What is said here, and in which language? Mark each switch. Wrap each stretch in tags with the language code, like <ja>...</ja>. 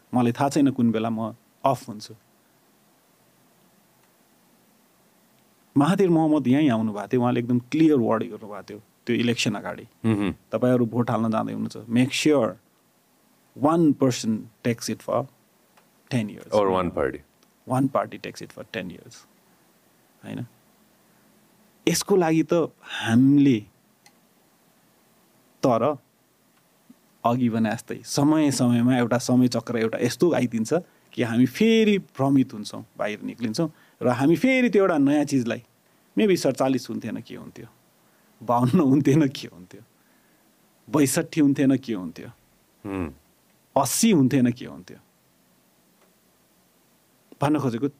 <ne>मलाई थाहा छैन कुन बेला म अफ हुन्छु. महाथिर मोहम्मद यहीँ आउनुभएको थियो, उहाँले एकदम क्लियर वर्ड गर्नुभएको थियो त्यो इलेक्सन अगाडि. तपाईँहरू भोट हाल्न जाँदै हुनुहुन्छ,</ne> <en>Make sure 1% takes it for 10 years or 1 party 1 party takes it for 10 years होइन.</en> <ne>यसको लागि त हामीले तर अघि भने जस्तै समय समयमा एउटा समय चक्र एउटा यस्तो आइदिन्छ कि हामी फेरि भ्रमित हुन्छौँ बाहिर निक्लिन्छौँ र हामी फेरि त्यो एउटा नयाँ चिजलाई मेबी 47 हुन्थेन के हुन्थ्यो, 52 हुन्थेन के हुन्थ्यो, 62 हुन्थेन के हुन्थ्यो, 80 हुन्थेन के हुन्थ्यो भन्न खोजेको.</ne>